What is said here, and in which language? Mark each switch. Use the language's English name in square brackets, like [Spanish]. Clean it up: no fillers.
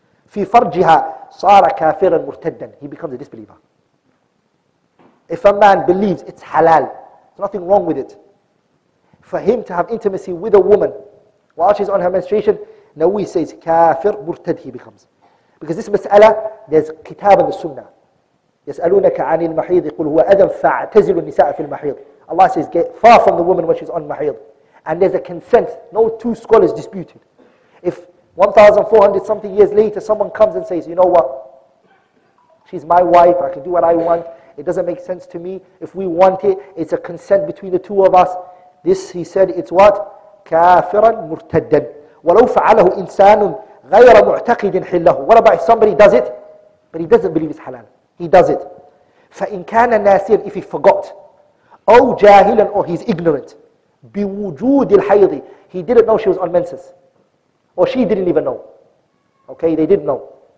[Arabic] في فرجها صار كافرا مرتدا, [English] he becomes a disbeliever. If a man believes it's halal, there's nothing wrong with it, for him to have intimacy with a woman while she's on her menstruation, Nawawi says [Arabic] كافر مرتد, [English] he becomes. Because this مسألة, there's كتاب in the Sunnah. [Arabic] يسألونك عن المحيض يقول هو أذى فاعتزلوا النساء في المحيض. [English] Allah says get far from the woman when she's on المحيض. And there's a consent. No two scholars disputed. If 1,400 something years later someone comes and says, you know what? She's my wife. I can do what I want. It doesn't make sense to me. If we want it, it's a consent between the two of us. This, he said, it's what? [Arabic] كافرا مرتدا. ولو فعله إنسان غير معتقد حله. [English] What about if somebody does it, but he doesn't believe it's halal? He does it. [Arabic] فإن كان ناسيا, [English] if he forgot, [Arabic] أو جاهلا, [English] or he's ignorant, [Arabic] بوجود الحيض, [English] he didn't know she was on menses, or she didn't even know. Okay, they didn't know.